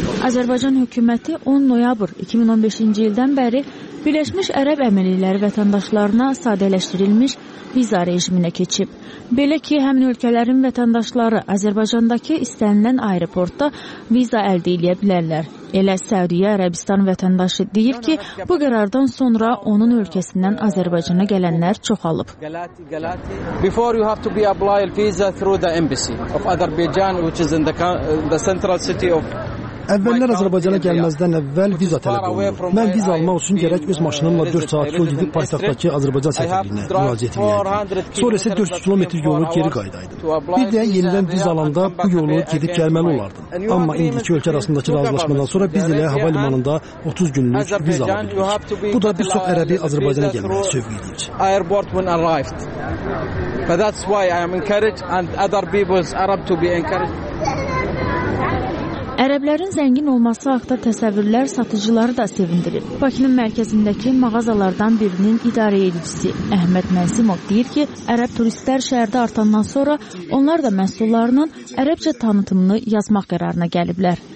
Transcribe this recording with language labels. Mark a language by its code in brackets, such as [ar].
[az] Azərbaycan hökuməti 10 noyabr 2015-ci ildən bəri Birləşmiş Ərəb Əmirlikləri vətəndaşlarına sadələşdirilmiş viza rejiminə keçib. Belə ki, həmin ölkələrin vətəndaşları Azərbaycandakı istənilən aeroportda viza əldə edə bilərlər. Elə Səudiyyə Ərəbistan vətəndaşı deyir ki, bu qərardan sonra onun ölkəsindən Azərbaycana gələnlər çoxalıb. [en] Before you have to be apply visa through the embassy of Azerbaijan, which is in the central city of [az] Əvvəllər Azərbaycana gəlməzdən əvvəl viza tələb olunur. Mən viza almaq üçün gərək öz maşınımla 4 saat yol gedib paytaxtdakı Azərbaycan səfirliyinə müraciət edəyəm. Sonra isə 400 kilometr yolu geri qayıdaydım. Bir də yenidən viza alanda bu yolu gedib gəlməli olardım. Amma indiki ölkə arasındakı razılaşmadan sonra biz ilə hava limanında 30 günlük viza ala bildik. Bu da bir çox ərəbi Azərbaycana gəlməyə sövq edir. [en] But that's why I am encouraged and other people's Arab to be encouraged. [az] Ərəblərin zəngin olması haqda təsəvvürlər satıcıları da sevindirir. Bakının mərkəzindəki mağazalardan birinin idarə edicisi Əhməd Məzimov deyir ki, ərəb turistlər şəhərdə artandan sonra onlar da məhsullarının ərəbcə tanıtımını yazmaq qərarına gəliblər.